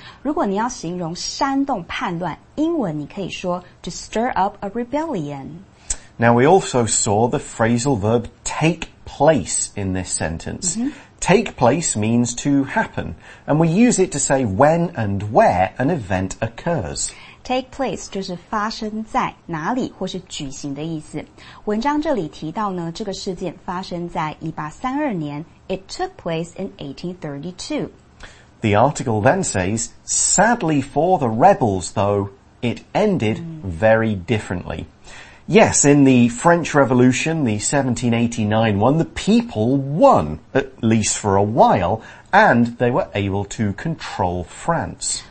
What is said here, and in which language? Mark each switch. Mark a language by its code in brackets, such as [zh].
[zh] 如果你要形容煽动叛乱,英文你可以说 [en] to stir up a rebellion. Now we also saw the phrasal verb take place in this sentence.、Mm-hmm. Take place means to happen, and we use it to say when and where an event occurs. [zh] Take place 就是发生在哪里或是举行的意思。文章这里提到呢，这个事件发生在1832年。 [en] It took place in 1832. The article then says, sadly for the rebels though, it ended very differently. Yes, in the French Revolution, the 1789 one, the people won, at least for a while,And they were able to control France.